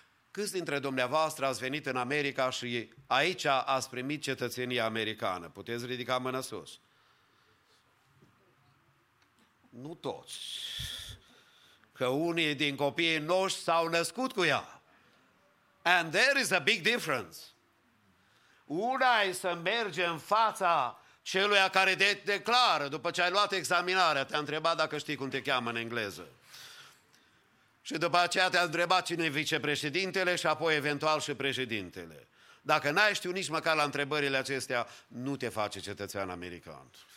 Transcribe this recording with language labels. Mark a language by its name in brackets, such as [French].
[Romanian] Câți dintre dumneavoastră ați venit în America și aici ați primit cetățenia americană? Puteți ridica mâna sus. Nu toți. Că unii din copiii noștri s-au născut cu ea. [English] And there is a big difference. [Romanian] Una e să merge în fața celuia care te declară, după ce ai luat examinarea, te-a întrebat dacă știi cum te cheamă în engleză. Și după aceea te-a întrebat cine e vicepreședintele și apoi eventual și președintele. Dacă n-ai știut nici măcar la întrebările acestea, nu te face cetățean american.